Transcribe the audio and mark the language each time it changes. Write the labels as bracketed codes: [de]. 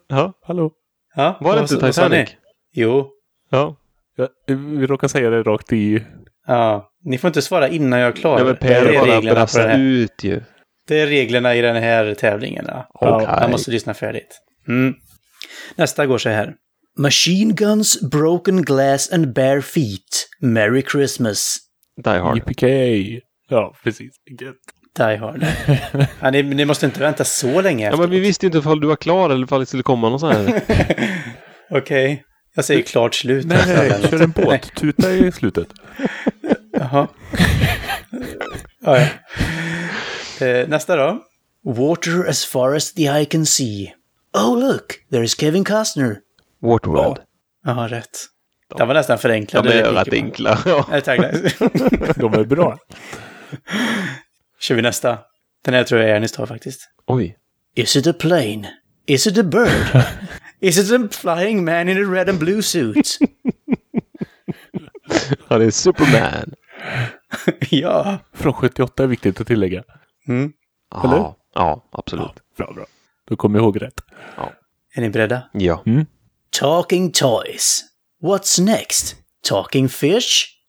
[sv] Ja, hallå. Ja, var det inte Titanic? Jo. Ja. Ja, vi råkar säga det rakt i... Ja, ni får inte svara innan jag är klar. Ja, men Per bara brassar ut ju. Det är reglerna i den här tävlingen. Ja. Okay. Jag måste lyssna färdigt. Mm. Nästa går så här. [en] Machine guns, broken glass and bare feet. Merry Christmas. Die Hard. [sv] Yippee-kay. Ja, precis. Get. [en] Die Hard. [sv] Ja, ni måste inte vänta så länge. Ja, men vi visste inte om du var klar eller om det skulle komma någon så här. Okej. Okay. Jag säger du, klart slut. Nej, nej, nej. Kör en båt. Tuta i slutet. Jaha. Ja. Nästa då. [en] Water as far as the eye can see. Oh, look. There is Kevin Costner. Waterworld. [sv] Ja, oh. Rätt. Det var nästan förenklad. De är rätt enkla. Ja. De är bra. Kör vi nästa. Den här tror jag är en stor faktiskt. Oj. [en] Is it a plane? Is it a bird? Is it a flying man in a red and blue suit? [sv] Han är Superman. Ja. Från 78 är viktigt att tillägga. Mm. Eller? Ja, absolut. Ja, bra, bra. Då kommer jag ihåg rätt. Ja. Är ni beredda? Ja. Mm. [en] Talking toys. What's next? Talking fish?